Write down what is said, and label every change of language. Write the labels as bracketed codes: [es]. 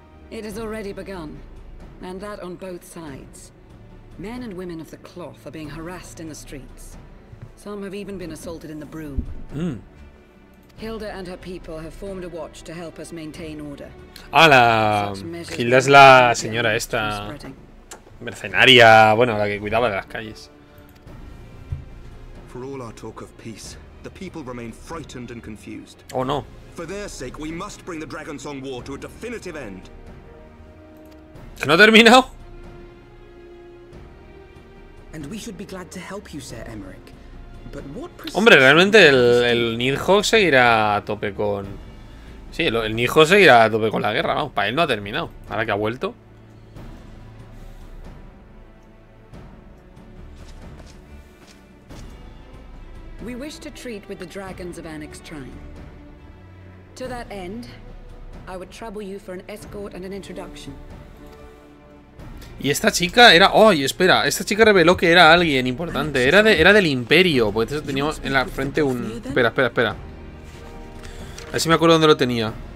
[en] It has already begun, and that on both sides. Men and women of the cloth are being harassed in the streets. Some have even been assaulted in the broom. Mm. Hilda and her people have formed a watch to help us maintain order. [es] ¡Hala! Hilda es la señora esta mercenaria, bueno, la que cuidaba de las calles. [en] For all our talk of peace, the people remain frightened and confused. Oh no. For their sake, we must bring the Dragonsong War to a definitive end. [es] ¿Que no terminó? [en] And we should be glad to help you, Sir Emeric. But what? [es] Hombre, realmente el Nidhogg seguirá a tope con... Sí, el Nidhogg seguirá a tope con la guerra, vamos, para él no ha terminado. Ahora que ha vuelto. [en] We wish to treat with the dragons of Anax Trine. To that end, I would trouble you for an escort and an introduction. [es] Y esta chica era, oye, espera, esta chica reveló que era alguien importante, era del imperio, porque eso tenía en la frente un espera. A ver si me acuerdo dónde lo tenía.